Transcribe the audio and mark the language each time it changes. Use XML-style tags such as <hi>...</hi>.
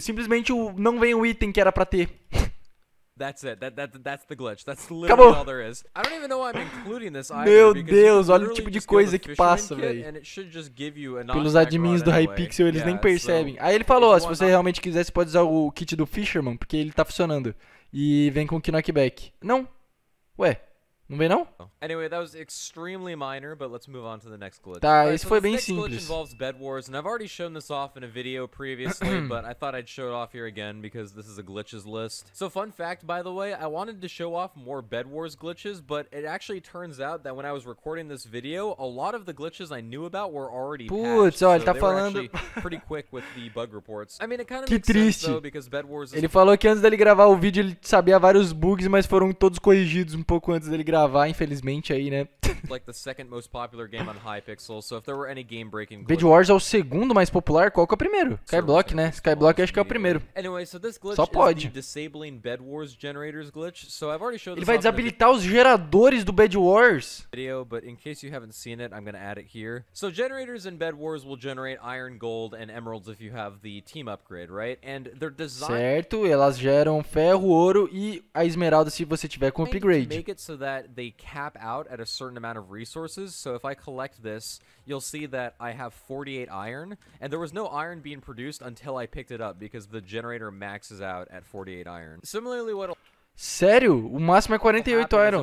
<pt>Simplesmente não vem o item que era pra ter.</pt> <en>That's it. That's the glitch. That's literally</en> <pt>Acabou.</pt> <en>All there is. I don't even know why I'm including this either.</en> <pt>Meu Deus, olha o tipo de coisa que passa, velho. Pelos admins do Hypixel, eles nem percebem. Aí ele falou, ó, se você realmente quiser, você pode usar o kit do Fisherman, porque ele tá funcionando. E vem com o knockback. Não. Ué. Não vem, não?</pt> <en>Anyway, that was extremely minor, but let's move on to the next glitch.</en> <pt>Tá, esse foi bem simples.</pt> <en>Glitch involves bed wars, and I've already shown this off in a video previously, but I thought I'd show it off here again because this is a glitches list. So fun fact, by the way, I wanted to show off more bed wars glitches, but it actually turns out that when I was recording this video, a lot of the glitches I knew about were already patched.</en> <pt>Putz, ó, ele tá falando</pt> <en>pretty quick with the bug reports. I mean, it kind of</en> <pt>que</pt> <en>makes</en> <pt>triste.</pt> <en>Sense, though, because bed wars is...</en> <pt>Ele falou que antes dele gravar o vídeo ele sabia vários bugs, mas foram todos corrigidos um pouco antes dele gravar, infelizmente, aí, né?</pt> <en>Like the second most popular game on Hypixel, so if there were any game-breaking glitches...</en> <pt>Bed Wars é o segundo mais popular? Qual que é o primeiro? Skyblock, né? Skyblock acho que é o primeiro.</pt> <en>Anyway, so this glitch</en> <pt>só pode.</pt> <en>Is the disabling Bed Wars generators glitch, so I've already showed</en> <pt>ele vai desabilitar os geradores do Bed Wars.</pt> <en>Video, but in case you haven't seen it, I'm gonna add it here. So generators in Bed Wars will generate iron, gold, and emeralds if you have the team upgrade, right? And they're designed...</en> <pt>Certo, elas geram ferro, ouro e a esmeralda se você tiver com upgrade.</pt> <en>Make it so that they cap out at a certain amount of resources, so if I collect this, you'll see that I have 48 iron, and there was no iron being produced until I picked it up, because the generator maxes out at 48 iron. Similarly, what...</en> <pt>Sério? O máximo é 48 iron.</pt>